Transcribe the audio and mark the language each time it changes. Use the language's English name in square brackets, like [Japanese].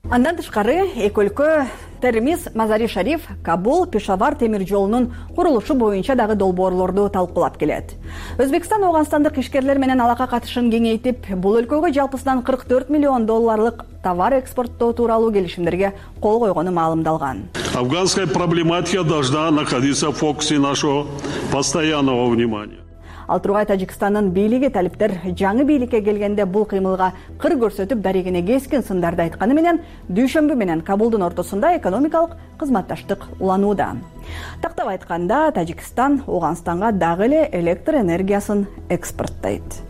[Kyrgyz] Андан тышкары эки өлкө Термиз, Мазари Шариф, Кабул, Пешавар темир жолунун курулушу боюнча дагы долбоорлорду талкуулап келет. Өзбекстан Ооганстандык ишкерлер менен алака катышын кеңейтип, бул өлкөгө жалпысынан 44 миллион долларлык товар экспорттоо тууралуу келишимдерге кол койгону маалымдалган. [Russian] Афганская проблематика должна находиться в фокусе нашего постоянного внимания. [Kyrgyz] Ал тургай Тажикстандын бийлиги талиптер жаңы бийликке келгенде бул кыймылга кыр көрсөтүп дарегине кескин сындарды айтканы менен дүйшөмбү менен Кабулдун ортосунда экономикалык кызматташтык уланууда. Тактап айтканда Тажикстан Ооганстанга дагы эле электр энергиясын экспорттойт.